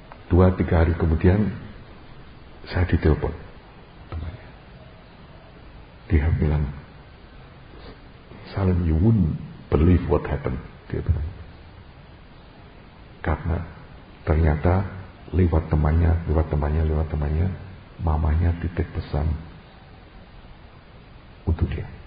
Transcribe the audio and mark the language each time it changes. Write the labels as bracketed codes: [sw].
[id] 2-3 hari kemudian saya ditelepon temannya. Dia bilang, [en] Salim, you wouldn't believe what happened. [id] Dia bilang, karena ternyata lewat temannya mamanya titip pesan untuk dia.